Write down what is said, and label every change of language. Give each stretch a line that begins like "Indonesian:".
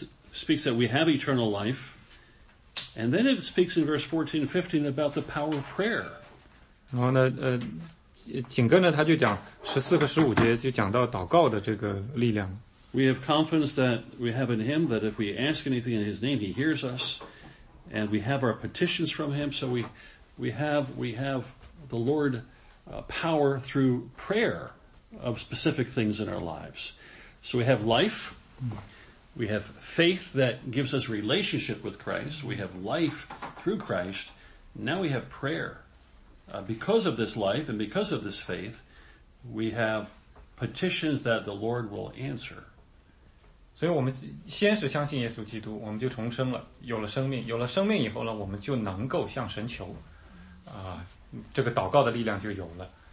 English: speaks that we have eternal life. And then it speaks in verse 14 and 15 about the power of prayer. 然后呢，紧跟着他就讲14和15节就讲到祷告的这个力量。 We have confidence that we have in him that if we ask anything in his name, he hears us. And we have our petitions from him. So we have the Lord power through prayer of specific things in our lives. So we have life. We have faith that gives us relationship with Christ. We have life through Christ. Now we have prayer. Because of this life and because of this faith, we have petitions that the Lord will answer.
Chinese: 所以我们先是相信耶稣基督，我们就重生了。有了生命以后呢，我们就能够向神求。这个祷告的力量就有了。